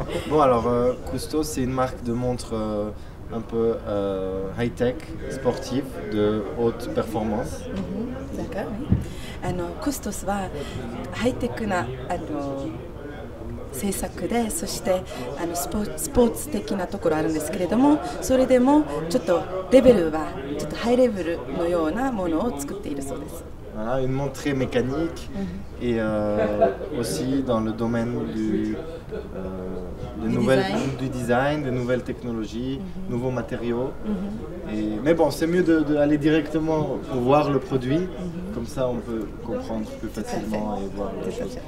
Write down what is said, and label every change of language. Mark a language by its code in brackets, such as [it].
[fr] Bon, alors Custo, c'est une marque de montre un peu high-tech, sportif, de haute performance. Mm-hmm. D'accord, oui. Alors, Custos va high-tech na, alors, [ja] 制作で、そしてスポーツ的なところあるんですけれども、それでもちょっとレベルはちょっとハイレベルのようなものを作っているそうです。 [fr] Voilà, une montre très mécanique et aussi dans le domaine du nouvelles, design. Du design, des nouvelles technologies, mm-hmm. nouveaux matériaux. Mm-hmm. Et, mais bon, c'est mieux d'aller directement voir le produit, mm-hmm. comme ça on peut comprendre plus facilement et voir les choses.